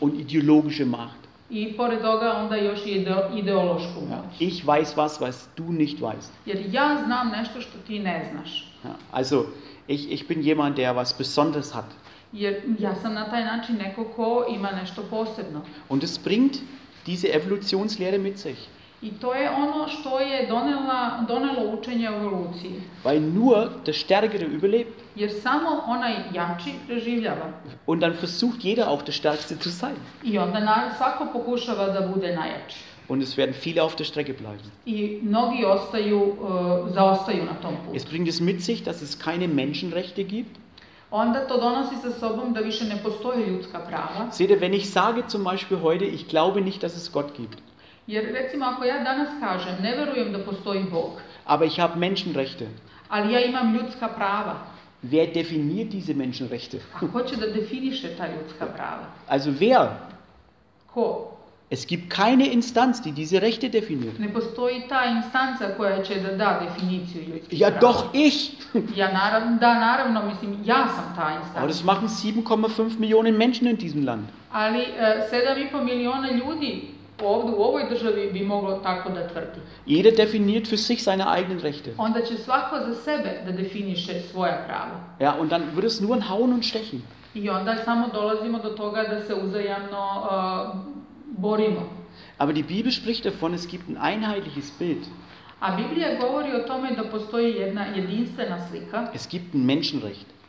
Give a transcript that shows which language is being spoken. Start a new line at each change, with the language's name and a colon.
German: und ideologische Macht.
Serbian: I pored toga onda još i ideološku moć. Ja.
German: Ich weiß was du nicht weißt.
Serbian: Jer ja znam nešto što ti ne znaš.
German: Ja. Also, ich bin jemand, der was Besonderes hat.
Serbian: Jer ja sam na taj način neko ko ima nešto posebno.
German: Und es bringt diese Evolutionslehre mit sich.
Serbian: I to je ono što je donelo učenje evoluciji.
German: Weil nur der Stärkere überlebt.
Serbian: Jer samo onaj jači preživljava.
German: Und dann versucht jeder auch der Stärkste zu sein.
Serbian: I onda svako pokušava da bude najjači.
German: Und es werden viele auf der Strecke bleiben.
Serbian: I mnogi ostaju, zaostaju na tom putu.
German: Es bringt es mit sich, dass es keine Menschenrechte gibt.
Serbian: Onda to donosi sa sobom da više ne postoje ljudska prava.
German: Seht ihr, wenn ich sage zum Beispiel heute, ich glaube nicht, dass es Gott gibt.
Serbian: Jer recimo, ako ja danas kažem, ne verujem da postoji Bog.
German: Aber ich habe Menschenrechte.
Serbian: Ali ja imam ljudska prava.
German: Wer definiert diese Menschenrechte?
Serbian: A ko će da definiše ta ljudska prava?
German: Also wer?
Serbian: Ko?
German: Es gibt keine Instanz, die diese Rechte definiert.
Serbian: Ne postoji ta instanca koja će da da definiciju ljudskih
German: ja, Ja, doch ich.
Serbian: Ja, naravno, mislim, ja sam ta instanca.
German: Aber das machen 7,5 Millionen Menschen in diesem Land.
Serbian: Ali 7,5 Millionen ljudi ovdje u ovoj državi bi moglo tako da tvrdi.
German: Jeder definiert für sich seine eigenen Rechte.
Serbian: Onda će svako za sebe da definiše svoja prava.
German: Ja, und dann wird es nur ein Hauen und Stechen.
Serbian: I onda samo dolazimo do toga da se uzajamno borimo.
German: Aber die Bibel spricht davon, es gibt ein einheitliches Bild.
Serbian: A Biblija govori o tome da postoji jedna jedinstvena slika.
German: Es gibt ein Menschenrecht.